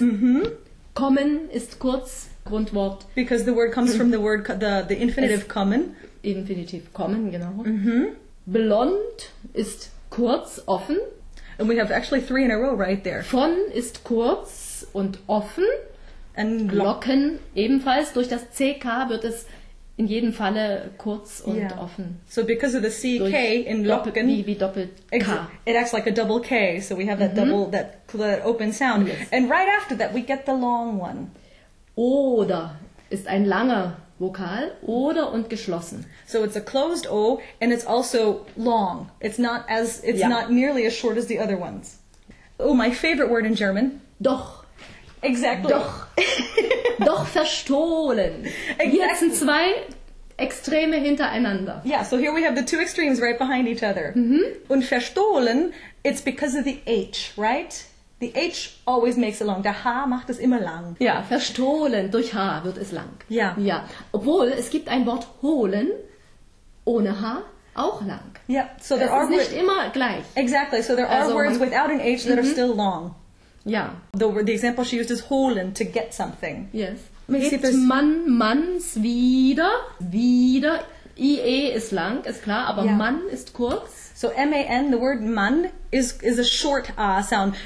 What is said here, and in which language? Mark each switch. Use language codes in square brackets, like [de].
[de] Mm-hmm. Kommen ist kurz, Grundwort. [en] Because the word comes from the word, the infinitive es, kommen. [de] Infinitive kommen, genau. Mm-hmm. Blond ist kurz, offen. [en] And we have actually three in a row right there. [de] Von ist kurz und offen. [en] And [de] Locken ebenfalls. Durch das CK wird es in jedem Falle kurz und offen. [en] So because of the CK [de] durch in Locken. Wie doppelt K. [en] It acts like a double K. So we have that double, that open sound. Yes. And right after that we get the long one. [de] Oder ist ein langer Vokal. Oder und geschlossen. [en] So it's a closed O and it's also long. It's not as not nearly as short as the other ones. Oh, my favorite word in German. [de] Doch. [en] Exactly. [de] Doch. Doch verstohlen. [en] Exactly. [de] Hier sind zwei Extreme hintereinander. [en] Yeah, so here we have the two extremes right behind each other. Mm-hmm. Und verstohlen, it's because of the H, right? The H always makes it long. [de] Der H macht es immer lang. Ja, verstohlen durch H wird es lang. Ja. Ja. Obwohl, es gibt ein Wort holen ohne H auch lang. Ja, [en] so there are... [de] Es ist nicht immer gleich. [en] Exactly, so there are also words without an H that are still long. [de] Ja. [en] The example she used is holen, to get something. Yes. [de] Gibt man manns wieder, wieder. IE ist lang, ist klar, aber yeah. Mann ist kurz. [en] So M-A-N, the word man is a short ah sound.